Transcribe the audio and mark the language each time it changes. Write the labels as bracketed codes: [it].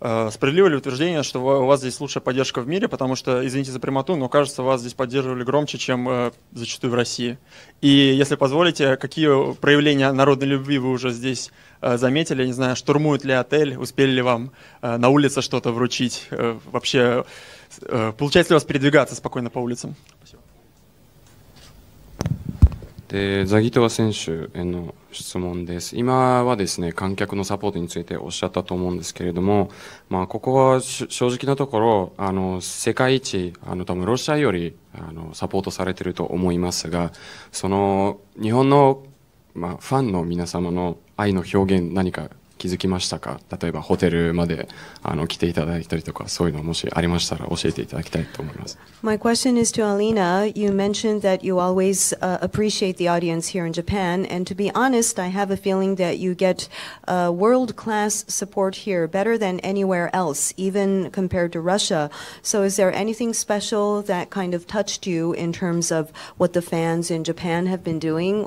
[ru] Справедливо ли утверждение, что у вас здесь лучшая поддержка в мире, потому что, извините за прямоту, но кажется, вас здесь поддерживали громче, чем зачастую в России. И если позволите, какие проявления народной любви вы уже здесь заметили? Не знаю, штурмуют ли отель, успели ли вам на улице что-то вручить? Вообще, получается ли у вас передвигаться спокойно по улицам? Спасибо. [ja] でザギトワ選手への質問です。今はですね、観客のサポートについておっしゃったと思うんですけれども、まあ、ここは正直なところあの世界一あの多分ロシアよりあのサポートされていると思いますが、その日本の、まあ、ファンの皆様の愛の表現何か気づきましたか。例えばホテルまであの来ていただいたりとか、そういうのもしありましたら教えていただきたいと思います。 [en] My question is to Alina. You mentioned that you always、appreciate the audience here in Japan, and to be honest, I have a feeling that you get、world-class support here, better than anywhere else, even compared to Russia. So is there anything special that kind of touched you in terms of what the fans in Japan have been doing?